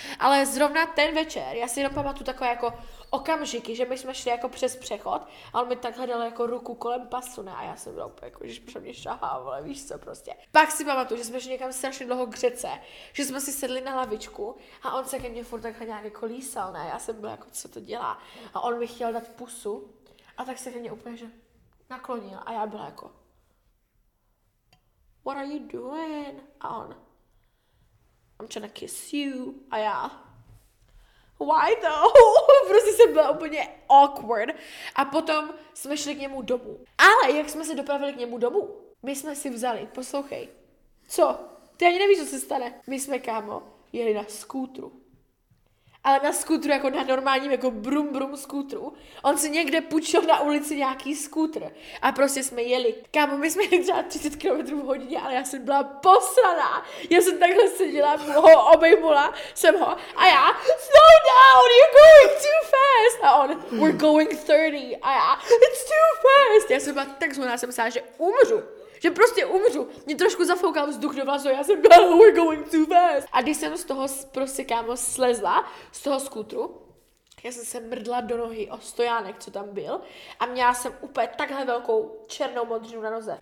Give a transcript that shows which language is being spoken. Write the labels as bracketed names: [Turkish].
[Czech] Ale zrovna ten večer, já si jenom pamatuju takové jako okamžiky, že my jsme šli jako přes přechod a on mi takhle dal jako ruku kolem pasu, ne? A já jsem byla úplně jako, že pro mě šahá, vole, víš co prostě. Pak si pamatuju, že jsme šli někam strašně dlouho k řece, že jsme si sedli na lavičku a on se ke mně furt takhle nějak jako lísal, ne? Já jsem byla jako, co to dělá? A on mi chtěl dát pusu a tak se ke mně úplně, že naklonil a já byla jako... [English] What are you doing? [Czech] A on, [English] I'm trying to kiss you. [Czech] A já, [English] why though? [Czech] Prostě jsem byla úplně awkward. A potom jsme šli k němu domů. Ale jak jsme se dopravili k němu domů? My jsme si vzali, poslouchej. Co? Ty ani nevíš, co se stane. My jsme, kámo, jeli na skútru. Ale na skútru, jako na normálním, jako brum brum skútru. On si někde půjčil na ulici nějaký skútr. A prostě jsme jeli. Kámo, my jsme jeli třeba 30 km v hodině, ale já jsem byla posraná. Já jsem takhle seděla, ho obejmula, jsem ho. A já, [English] slow down, you're going too fast. [Czech] A on, [English] we're going 30. [Czech] A já, [English] it's too fast. [Czech] Já jsem byla tak zvoná, jsem myslela, že umřu. Že prostě umřu. Mě trošku zafoukal vzduch do vlasu, já jsem byla, [English] we're going too fast. [Czech] A když jsem z toho prostě, kámo, slezla z toho skútru, já jsem se mrdla do nohy o stojánek, co tam byl, a měla jsem úplně takhle velkou černou modřinu na noze.